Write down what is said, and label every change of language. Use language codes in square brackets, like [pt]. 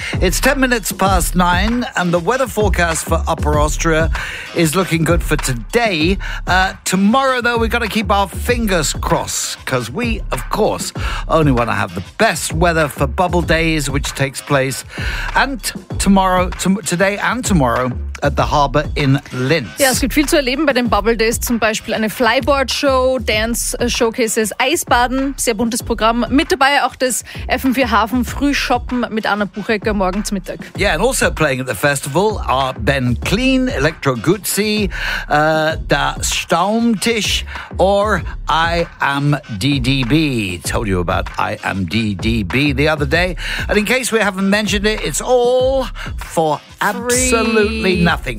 [en] It's 10 minutes past nine, and the weather forecast for Upper Austria is looking good for today. Tomorrow, though, we've got to keep our fingers crossed, because we, of course, only want to have the best weather for Bubble Days, which takes place and today and tomorrow at the harbour in Linz. [de] Ja, es gibt viel zu erleben bei den Bubble Days. Zum Beispiel eine Flyboard-Show, Dance-Showcases, Eisbaden, sehr buntes Programm. Mit dabei auch das FM4 Hafen Frühshoppen mit Anna Buchecker morgen zum Mittag. [en] Yeah, and also playing at the festival are Ben Clean, Electro Guzzi, Da Staumtisch or I Am DDB. Told you about I Am DDB the other day. And in case we haven't mentioned it, it's all for absolutely nothing.